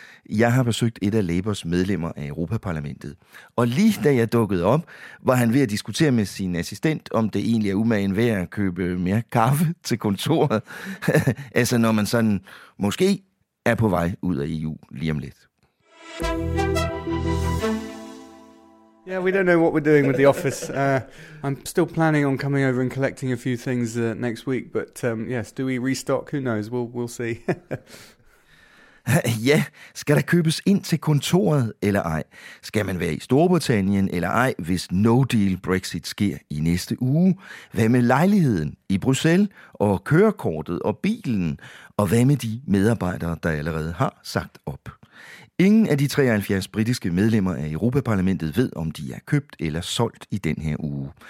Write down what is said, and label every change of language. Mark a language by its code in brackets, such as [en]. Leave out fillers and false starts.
[da] Jeg har besøgt et af Labours medlemmer af Europaparlamentet. Og lige da jeg dukkede op, var han ved at diskutere med sin assistent, om det egentlig er umagen værd at købe mere kaffe til kontoret. Altså når man sådan måske er på vej ud af EU lige om lidt. [en] Yeah, we don't know what we're doing with the office. I'm still planning on coming over and collecting a few things next week. But yes, do we restock? Who knows? We'll see. [da] Ja, skal der købes ind til kontoret eller ej? Skal man være i Storbritannien eller ej, hvis no-deal Brexit sker i næste uge? Hvad med lejligheden i Bruxelles og kørekortet og bilen? Og hvad med de medarbejdere, der allerede har sagt op? Ingen af de 73 britiske medlemmer af Europaparlamentet ved, om de er købt eller solgt i den her uge.